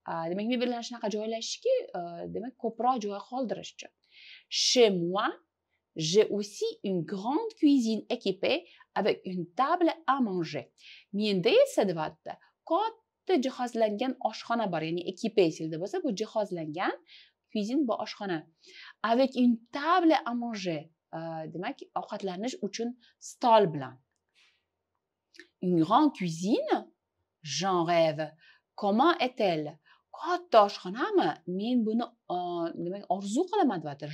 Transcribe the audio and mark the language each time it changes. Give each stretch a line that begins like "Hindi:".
Uzbek: Demak mebellarni shunaqa joylashki, demak ko'proq joy qoldirish uchun.
French: Chez moi, j'ai aussi une grande cuisine équipée avec une table à manger.
Uzbek: Menda esa devatda katta jihozlangan oshxona bor, ya'ni équipée deganda bo'lsa, bu jihozlangan cuisine bu oshxona.
French: Avec une table à manger,
Uzbek: demak ovqatlanish uchun stol bilan.
French: Une grande cuisine, j'en rêve. Comment est-elle?
Uzbek: Katta oshxonami? Men buni demak orzu qilaman deyapti.